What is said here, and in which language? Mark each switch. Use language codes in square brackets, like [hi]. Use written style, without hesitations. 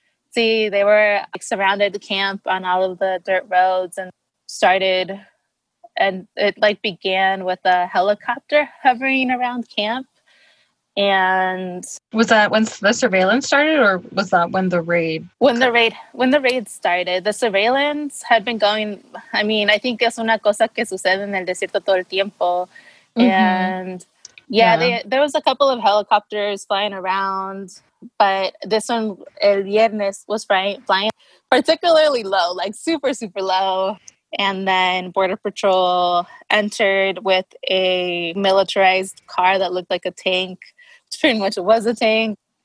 [en] See, they were like, surrounded the camp on all of the dirt roads and started, and it like began with a helicopter hovering around camp. And was that when the surveillance started, or was that when the raid? When the raid started, the surveillance had been going. I mean, I think [es] es una cosa que sucede en el desierto todo el tiempo. Mm-hmm. [en] And there was a couple of helicopters flying around. But this one, [es] el viernes, [en] was flying particularly low, like super, super low. And then Border Patrol entered with a militarized car that looked like a tank, which pretty much was a tank.